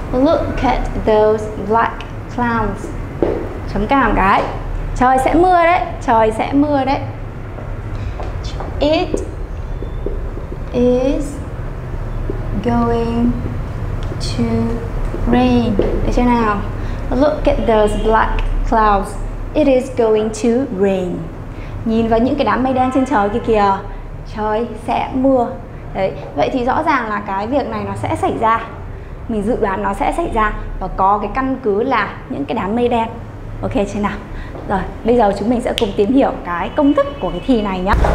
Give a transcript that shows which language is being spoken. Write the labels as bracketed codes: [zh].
[en] Look at those black clouds. [vi] Chấm cảm cái. Trời sẽ mưa đấy, trời sẽ mưa đấy. [en] It is going to rain. [vi] Được chưa nào? [en] Look at those black clouds. It is going to rain. [vi] Nhìn vào những cái đám mây đen trên trời kia kìa. Trời sẽ mưa. Đấy, vậy thì rõ ràng là cái việc này nó sẽ xảy ra. Mình dự đoán nó sẽ xảy ra và có cái căn cứ là những cái đám mây đen. Ok chưa nào? Rồi, bây giờ chúng mình sẽ cùng tìm hiểu cái công thức của cái thi này nhé.